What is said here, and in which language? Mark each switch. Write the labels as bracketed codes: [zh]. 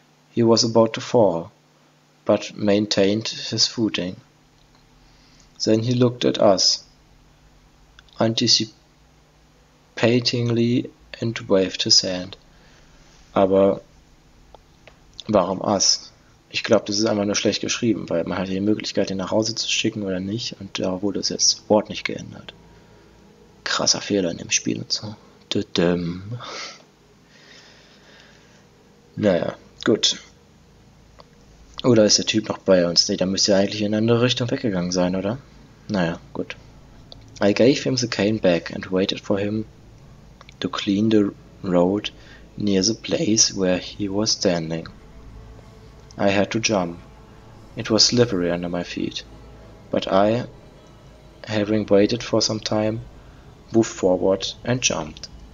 [en] He was about to fall, but maintained his footing. Then he looked at us, anticipatingly, and waved his hand. [de] Aber warum us? Ich glaube, das ist einfach nur schlecht geschrieben, weil man hatte die Möglichkeit, ihn nach Hause zu schicken oder nicht, und da wurde es jetzt Wort nicht geändert. Krasser Fehler in dem Spiel und so. Düdüm. Naja, gut. Oder ist der Typ noch bei uns? Nee, dann müsste er eigentlich in eine andere Richtung weggegangen sein, oder? Naja, gut. [en] I gave him the cane back and waited for him to clean the road near the place where he was standing. I had to jump. It was slippery under my feet. But I, having waited for some time, moved forward and jumped.